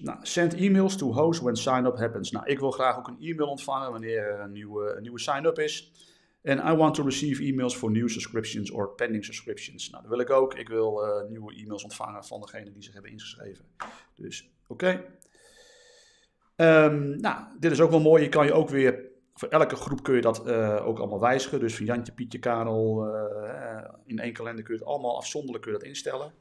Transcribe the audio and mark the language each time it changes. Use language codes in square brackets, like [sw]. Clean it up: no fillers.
[en] Nou, send emails to host when sign-up happens. [nl] Nou, ik wil graag ook een e-mail ontvangen wanneer er een nieuwe sign-up is. [en] And I want to receive emails for new subscriptions or pending subscriptions. [nl] Nou, dat wil ik ook. Ik wil nieuwe e-mails ontvangen van degene die zich hebben ingeschreven. Dus, oké. Nou, dit is ook wel mooi. Je kan je ook weer, voor elke groep kun je dat ook allemaal wijzigen. Dus van Jantje, Pietje, Karel, in één kalender kun je het allemaal afzonderlijk kun je dat instellen.